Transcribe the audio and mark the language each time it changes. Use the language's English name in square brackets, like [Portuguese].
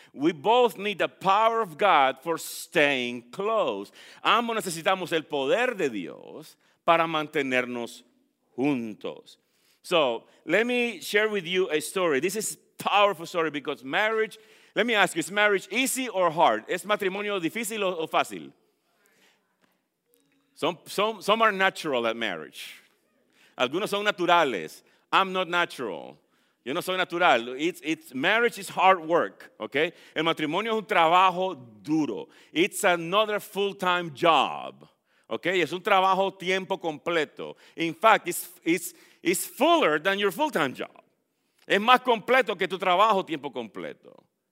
[English] We both need the power of God for staying close. [Spanish] Ambos necesitamos el poder de Dios para mantenernos juntos. [English] So, let me share with you a story. This is a powerful story because marriage, let me ask you, is marriage easy or hard? [Spanish] ¿Es matrimonio difícil o fácil? [English] Some are natural at marriage. [Spanish] Algunos son naturales. [English] I'm not natural. [Spanish] Yo no soy natural. [English] It's marriage is hard work, okay? [Spanish] El matrimonio es un trabajo duro. [English] It's another full-time job, okay? [Spanish] Es un trabajo tiempo completo. [English] In fact, it's fuller than your full-time job. [Spanish] Es más completo que tu trabajo tiempo completo.